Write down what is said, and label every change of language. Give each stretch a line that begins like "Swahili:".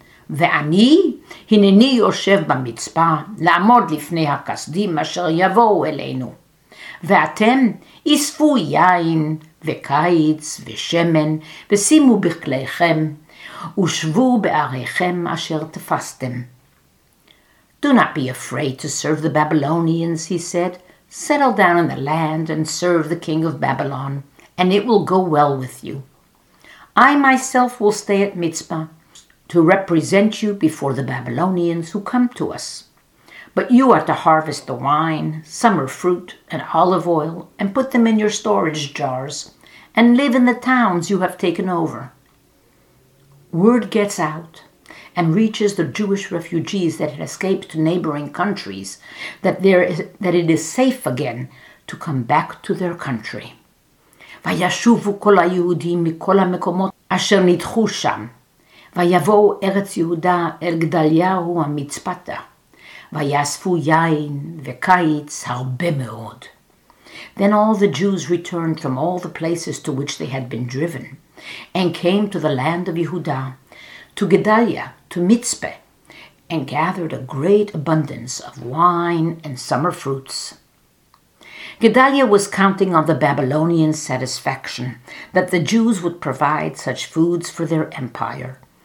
Hebrew: ואני, הנני יושב במצפה, לעמוד לפני הכסדים אשר יבואו אלינו. ואתם, אספו יין וקיץ ושמן, ושימו בכליכם, ושבו בעריכם אשר תפסתם.
English: Do not be afraid to serve the Babylonians, he said. Settle down in the land and serve the king of Babylon, and it will go well with you. I myself will stay at Mitzpah, to represent you before the Babylonians who come to us. But you are to harvest the wine, summer fruit, and olive oil, and put them in your storage jars, and live in the towns you have taken over. Word gets out and reaches the Jewish refugees that had escaped to neighboring countries that it is safe again to come back to their country.
Hebrew: Vayashuvu kol ha-Yehudim mikol ha-mekomot asher nidchu sham. ויבואו ארץ יהודה אל גדליהו המצפתה, ויאספו יין וקיץ הרבה מאוד.
English: Then all the Jews returned from all the places to which they had been driven, and came to the land of Yehuda, to Gedaliah, to Mitzpeh, and gathered a great abundance of wine and summer fruits. Gedaliah was counting on the Babylonian satisfaction that the Jews would provide such foods for their empire,